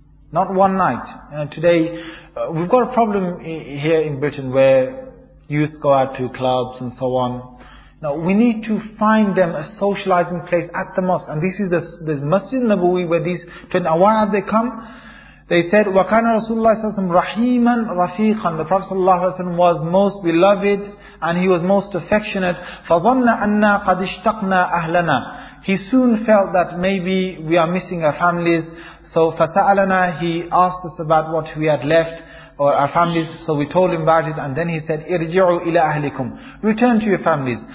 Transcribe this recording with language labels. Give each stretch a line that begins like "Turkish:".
English: Not one night. Today, we've got a problem here in Britain where youth go out to clubs and so on. Now, we need to find them a socializing place at the mosque. And this is the Masjid Nabawi where these 20 awards they come. They said,
Arabic: وَكَانَ رَسُولُ اللَّهِ صَلَّى اللَّهُ عَلَيْهِ وَسَلَّمَ رَحِيمًا رَفِيقًا.
English: The Prophet صلى الله عليه وسلم was most beloved and he was most affectionate.
Arabic: فَظَنَّ أَنَّا قَدْ اشْتَقْنَا أَهْلَنَا.
English: He soon felt that maybe we are missing our families. So
Arabic: فَسَأَلَنَا,
English: he asked us about what we had left or our families. So we told him about it and then he said,
Arabic: اِرْجِعُوا إِلَىٰ أَهْلِكُمْ.
English: Return to your families.